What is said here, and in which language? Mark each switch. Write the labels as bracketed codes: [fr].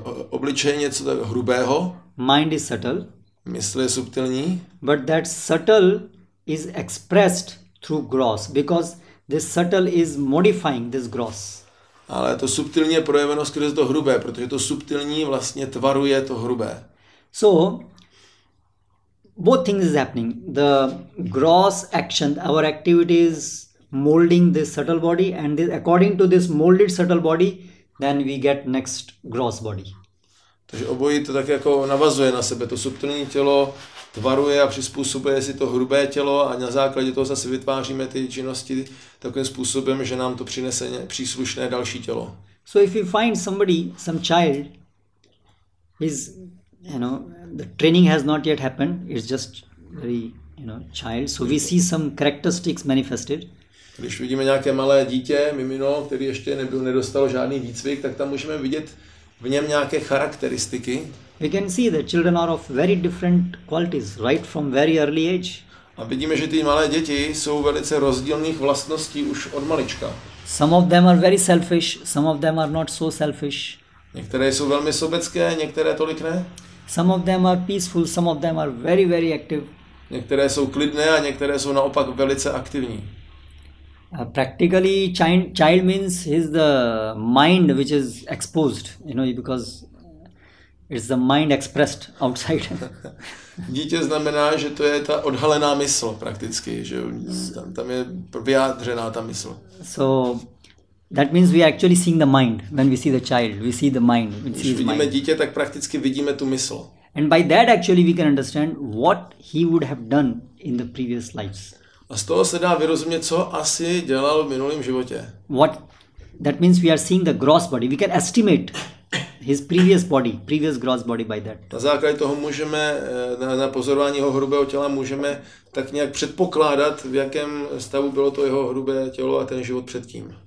[cs] Obličeje něco tak hrubého. [en] Mind is subtle. [cs] Mysl je subtilní. [en] But that subtle is expressed through gross, because this subtle is modifying this gross. [cs] Ale to subtilní je projeveno skrze to hrubé, protože to subtilní vlastně tvaruje to hrubé. [en] So both things is happening. The gross action, our activities molding this subtle body, and this, according to this molded subtle body, then we get next gross body. [cs] Takže obojí to tak jako navazuje na sebe, to subtilní tělo tvaruje a přizpůsobuje si to hrubé tělo a na základě toho zase vytváříme ty činnosti takovým způsobem, že nám to přinese příslušné další tělo. [en] So if you find somebody, some child, is, you know, the training has not yet happened, it's just very, you know, child, so we see some characteristics manifested. [cs] Když vidíme nějaké malé dítě, mimino, který ještě nedostalo žádný výcvik, tak tam můžeme vidět v něm nějaké charakteristiky. [en] We can see that children are of very different qualities right from very early age. [cs] A vidíme, že ty malé děti jsou velice rozdílných vlastností už od malička. [en] Some of them are very selfish, some of them are not so selfish. [cs] Některé jsou velmi sobecké, některé tolik ne. [en] Some of them are peaceful, some of them are very very active. [cs] Některé jsou klidné a některé jsou naopak velice aktivní. [en] Practically, child means he's the mind which is exposed, you know, because It's the mind expressed outside. [cs] Dítě znamená, že to je ta odhalená mysl prakticky, že tam je vyjádřená ta mysl. [en] So that means we are actually seeing the mind when we see the child. We see the mind. [cs] Když vidíme dítě, tak prakticky vidíme tu mysl. [en] And by that actually we can understand what he would have done in the previous lives. [cs] A z toho se dá vyrozumět, co asi dělal v minulém životě. [en] What? That means we are seeing the gross body. We can estimate his previous body, previous gross body by that. [cs] Na základě toho můžeme, na pozorování jeho hrubého těla můžeme tak nějak předpokládat, v jakém stavu bylo to jeho hrubé tělo a ten život předtím.